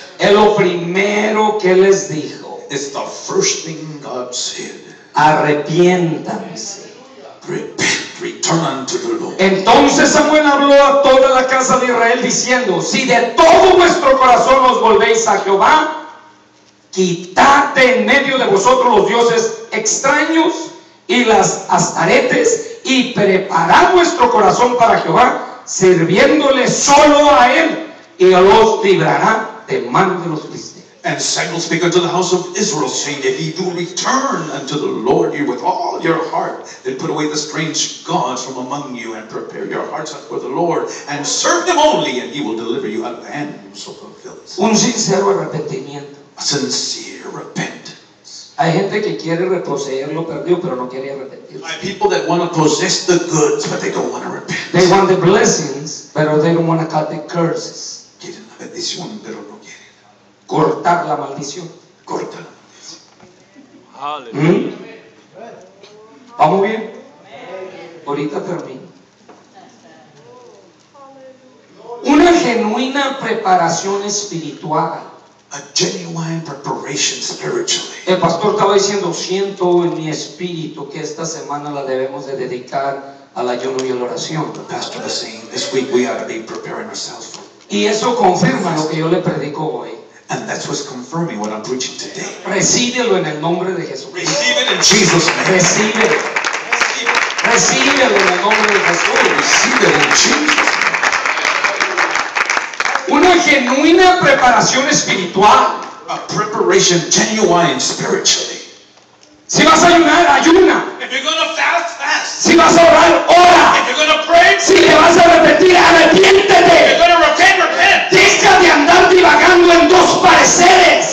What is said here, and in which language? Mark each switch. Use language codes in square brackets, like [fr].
[es] Es lo primero que les dijo. [en] It's the first thing God said. [es] Arrepiéntanse. [en] Repent. Return unto the Lord. [es] Entonces Samuel habló a toda la casa de Israel diciendo: si de todo vuestro corazón os volvéis a Jehová, quitate en medio de vosotros los dioses extraños y las astaretes, y preparad vuestro corazón para Jehová, sirviéndole solo a él, y él os librará de mano de los filisteos. [en] And Samuel spake unto the house of Israel, saying, if ye do return unto the Lord you with all your heart, then put away the strange gods from among you, and prepare your hearts for the Lord, and serve him only, and he will deliver you out of the hand of the Philistines. [es] Un sincero arrepentimiento. [en] A sincere repentance. [es] Hay gente que quiere reposeer lo perdido, pero no quiere arrepentirse. [en] Hay people that want to possess the goods, but they don't want to repent. They want the blessings, pero they don't want to cut the curses. [es] Quieren la bendición, pero no quieren. Cortar la maldición. Corta la maldición. ¿Vamos bien? Ahorita termino. Una genuina preparación espiritual. [en] A genuine preparation spiritually. [es] El pastor estaba diciendo, siento en mi espíritu que esta semana la debemos de dedicar al ayuno y a la oración. [en] The pastor was saying, this week we ought to be preparing ourselves for. [es] Y eso confirma lo que yo le predico hoy. [en] And that's what's confirming what I'm preaching today. [es] Recíbelo en el nombre de Jesús. [en] Receive it in Jesus' name. [es] Recibe. Recíbelo en el nombre de Jesús. [en] Receive it in Jesus' name. [es] Una genuina preparación espiritual. [en] A preparation genuine spiritually. [es] Si vas a ayunar, ayuna. [en] If you're gonna fast, fast. [es] Si vas a orar, ora. [en] If you're gonna pray, [es] si te vas a repetir, arrepiéntete. [en] If you're gonna repent, repent. [es] Deja de andar divagando en dos pareceres.